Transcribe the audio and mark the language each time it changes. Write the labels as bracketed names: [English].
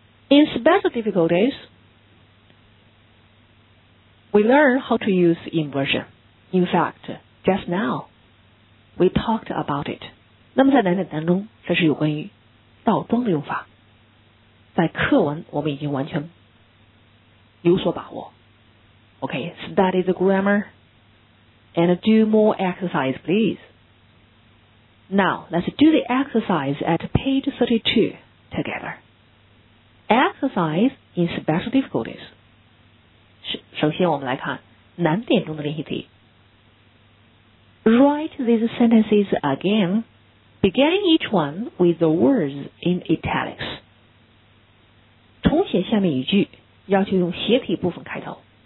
[English] In special difficulties, we learn how to use inversion. In fact, just now, we talked about it. [Chinese] 那么在难点当中，这是有关于倒装的用法。在课文我们已经完全有所把握。 [English] Okay, study the grammar and do more exercise, please. Now, let's do the exercise at page 32 together. Exercise in special difficulties. [Chinese] 首先我们来看难点中的练习题。 [English] Write these sentences again, beginning each one with the words in italics. [Chinese] 重写下面语句，要求用斜体部分开头。